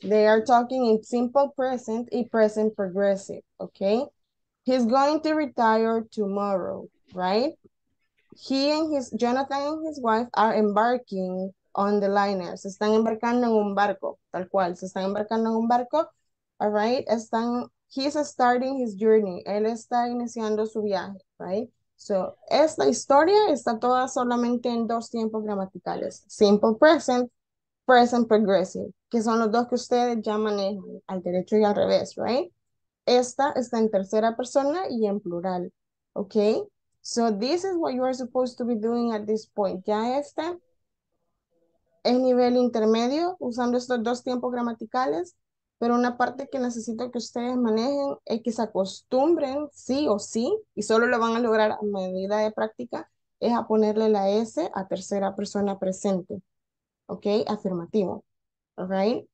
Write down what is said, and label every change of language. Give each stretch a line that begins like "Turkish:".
English: They are talking in simple present y present progressive, okay? He's going to retire tomorrow, right? Jonathan and his wife are embarking on the liner.
Spanish: Se están embarcando en un barco, tal cual. Se están embarcando en un barco.
English: All right, he's starting his journey.
Spanish: Él está iniciando su viaje,
English: right?
Spanish: So, esta historia está toda solamente en dos tiempos gramaticales. Simple present, present progressive, que son los dos que ustedes ya manejan, al derecho y al revés,
English: right?
Spanish: Esta está en tercera persona y en plural,
English: okay? So, this is what you are supposed to be doing at this point.
Spanish: Ya esta es nivel intermedio, usando estos dos tiempos gramaticales, pero una parte que necesito que ustedes manejen es que se acostumbren, sí o sí, y solo lo van a lograr a medida de práctica, es a ponerle la S a tercera persona presente. ¿Ok? Afirmativo.
English: ¿All right?